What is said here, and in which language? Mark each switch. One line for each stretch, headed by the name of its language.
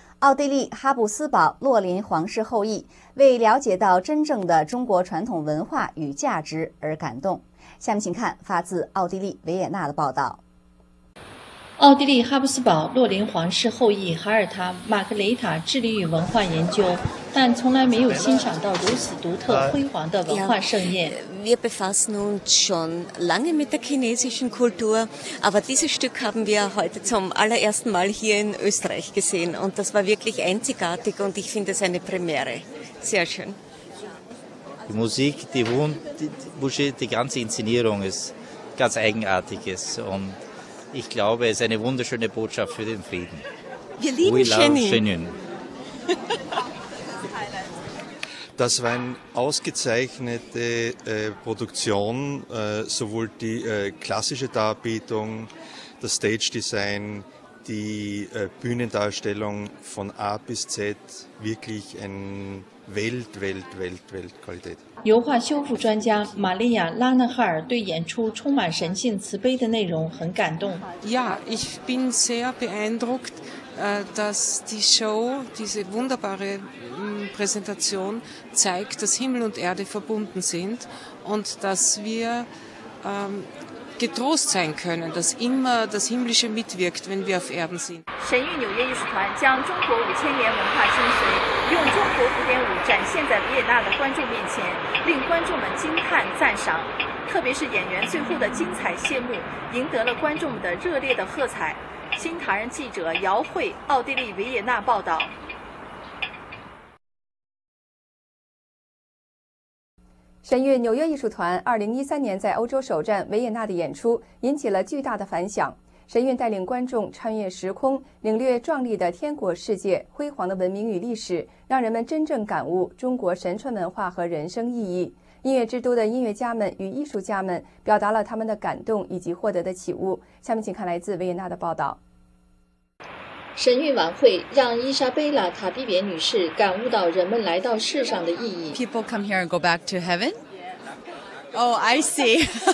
Chinese: 奥地利哈布斯堡洛林皇室后裔为了解到真正的中国传统文化与价值而感动。下面请看发自奥地利维也纳的报道。奥地利哈布斯堡洛林皇室后裔哈尔塔·玛格雷塔致力于文化研究，但从来没有欣赏到如此独特辉煌的文化盛宴。
German: Wir befassen uns schon lange mit der chinesischen Kultur, aber dieses Stück haben wir heute zum allerersten Mal hier in Österreich gesehen und das war wirklich einzigartig und ich finde es eine Premiere. Sehr schön. Die Musik, die Wunsch, die ganze Inszenierung ist ganz eigenartiges und ich glaube, es ist eine wunderschöne Botschaft für den Frieden. Wir lieben Shenyun. Das war eine ausgezeichnete Produktion, sowohl die klassische Darbietung, das Stage Design, die Bühnendarstellung von A bis Z, wirklich ein Welt Qualität.
Chinese: 油画修复专家玛利亚·拉纳赫尔对演出充满神性慈悲的内容很感动。
German: Ja, ich bin sehr beeindruckt, dass die Show, diese wunderbare Präsentation zeigt, dass Himmel und Erde verbunden sind und dass wir getrost sein können, dass immer das Himmlische mitwirkt, wenn wir auf Erden sind.
Chinese: 神韵纽约艺术团将中国5000年文化精神用中国古典舞展现在维也纳的观众面前，令观众们惊叹赞赏，特别是演员最后的精彩谢幕赢得了观众们的热烈的喝彩。新唐人记者姚慧，奥地利维也纳报道。神韵纽约艺术团2013年在欧洲首站维也纳的演出引起了巨大的反响。神韵带领观众穿越时空，领略壮丽的天国世界、辉煌的文明与历史，让人们真正感悟中国神传文化和人生意义。音乐之都的音乐家们与艺术家们表达了他们的感动以及获得的启悟。下面请看来自维也纳的报道。神韵晚会让伊莎贝拉·塔比别女士感悟到人们来到世上的意义。
English: People come here and go back to heaven? Oh, I see.